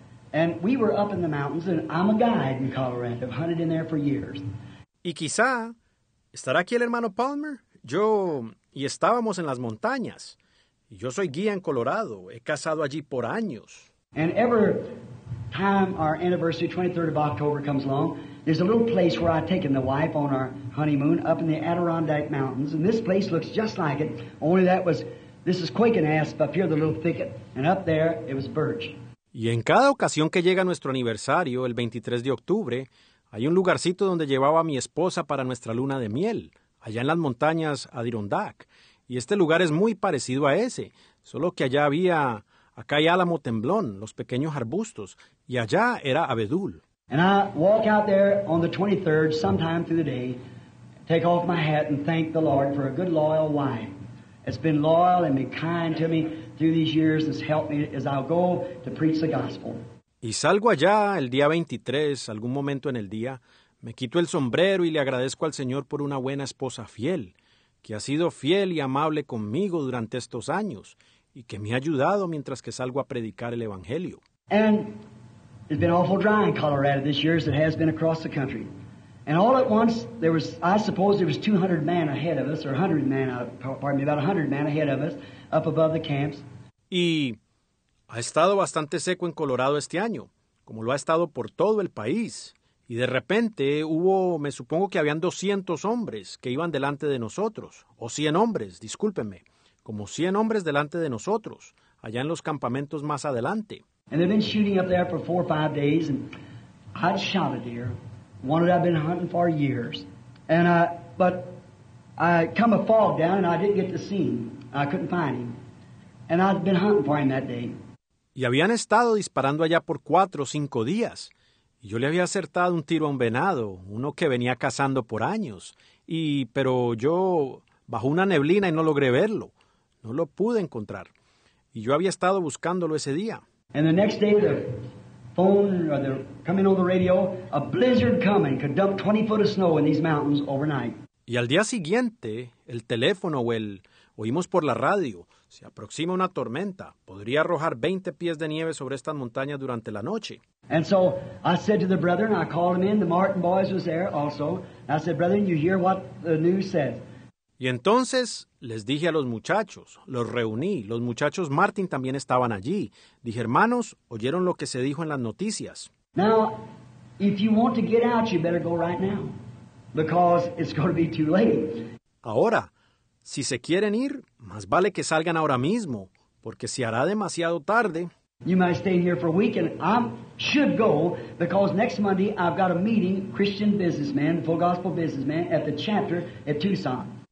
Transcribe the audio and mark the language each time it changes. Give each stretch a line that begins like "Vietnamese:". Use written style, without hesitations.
English: And we were up in the mountains, and I'm a guide in Colorado. I've hunted in there for years.
Spanish: Y quizá, ¿estará aquí el hermano Palmer? Y estábamos en las montañas. Y yo soy guía en Colorado. He cazado allí por años.
English: And ever time our anniversary, 23rd of October, comes along, There's a little place where I've taken the wife on our honeymoon up in the Adirondack Mountains, and this place looks just like it, only that was, this is quaken asp up here, the little thicket, and up there it was birch.
Spanish: Y en cada ocasión que llega nuestro aniversario, el 23 de octubre, hay un lugarcito donde llevaba a mi esposa para nuestra luna de miel, allá en las montañas Adirondack. Y este lugar es muy parecido a ese, solo que allá había acay álamo temblón, los pequeños arbustos, y allá era abedul.
English: And I walk out there on the 23rd, sometime through the day, take off my hat and thank the Lord for a good loyal wife. It's been loyal and been kind to me through these years. It's helped me as I go to preach the gospel.
Spanish: Y salgo allá el día 23, algún momento en el día, me quito el sombrero y le agradezco al Señor por una buena esposa fiel, que ha sido fiel y amable conmigo durante estos años y que me ha ayudado mientras que salgo a predicar el Evangelio.
English: And it's been awful dry in Colorado this year as it has been across the country. And all at once, there was, I suppose there was 200 men ahead of us, or 100 men, pardon me, about 100 men ahead of us, up above the camps.
Spanish: Y ha estado bastante seco en Colorado este año, como lo ha estado por todo el país. Y de repente hubo, me supongo que habían 200 hombres que iban delante de nosotros, o 100 hombres, discúlpenme, como 100 hombres delante de nosotros, allá en los campamentos más adelante.
English: And they've been shooting up there for 4 or 5 days, and I'd shot a deer, one that I've been hunting for years. But I come a fog down, and I didn't get to see him. I couldn't find him. And I'd been hunting for him that day.
Spanish: Y habían estado disparando allá por 4 o 5 días. Y yo le había acertado un tiro a un venado, uno que venía cazando por años. Pero yo bajo una neblina y no logré verlo. No lo pude encontrar. Y yo había estado buscándolo ese día.
English: And the next day, the phone, or the coming on the radio, a blizzard coming could dump 20 foot of snow in these mountains overnight.
Spanish: Y al día siguiente, el teléfono o el oímos por la radio, se aproxima una tormenta, podría arrojar 20 pies de nieve sobre estas montañas durante la noche.
English: And so I said to the brethren, I called him in, the Martin boys was there also, and I said, brethren, you hear what the news says.
Spanish: Y entonces les dije a los muchachos, los reuní, los muchachos Martin también estaban allí. Dije, hermanos, oyeron lo que se dijo en las noticias.
English: Now, if you want to get out, you better go right now, because it's going to be too late.
Spanish: Ahora, si se quieren ir, más vale que salgan ahora mismo, porque se hará demasiado tarde.
English: You might stay here for a week, and I should go, because next Monday I've got a meeting, Christian businessman, full gospel businessman, at the chapter at Tucson.